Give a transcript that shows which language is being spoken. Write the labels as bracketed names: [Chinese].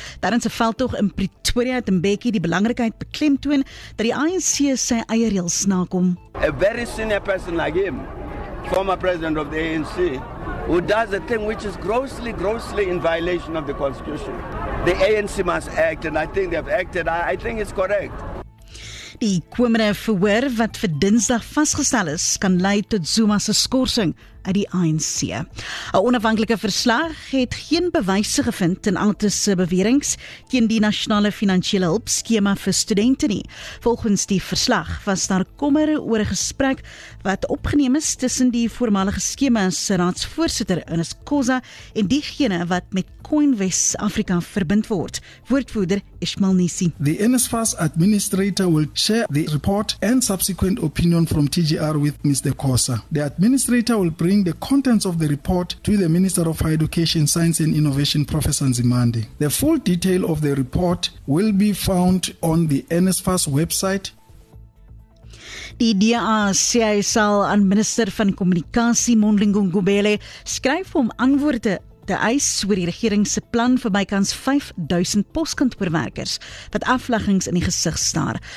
[Afrikaans] Tydens 'n veldtog in Pretoria het Mbeki die belangrikheid beklemtoon dat die ANC sy eie reëls nakom. [English] A very senior person like him, former president of the ANC, who does a thing which is grossly in violation of the constitution. The ANC must act, and I think they have acted. I think it's correct. [Afrikaans] Die komende verhoor wat vir Dinsdag vasgestel is, kan lei tot Zuma se skorsing uit die ANC. 'N onafhanklike verslag het geen bewyse gevind ten aanzien van se beweringe teen die nasionale finansiële hulpskema vir studente nie. Volgens die verslag was daar kommer oor 'n gesprek wat opgeneem is tussen die voormalige skema se raadsvoorsitter Ines Koza en diegene wat met CoinWest Afrika verbind word. Woordvoerder Ismail Nisi. [English] The NSFAS administrator will share the report and subsequent opinion from TGR with Mr. Koza. The administrator will bring the contents of the report to the Minister of Higher Education, Science and Innovation, Professor Nzimande. The full detail of the report will be found on the NSFAS website. [Afrikaans] Die DA sê hy sal aan Minister van Kommunikasie Mondlingo Ngubele skryf om antwoorde te eis oor die regering se plan vir bykans 5000 poskantoorwerkers wat afleggings in die gesig staar.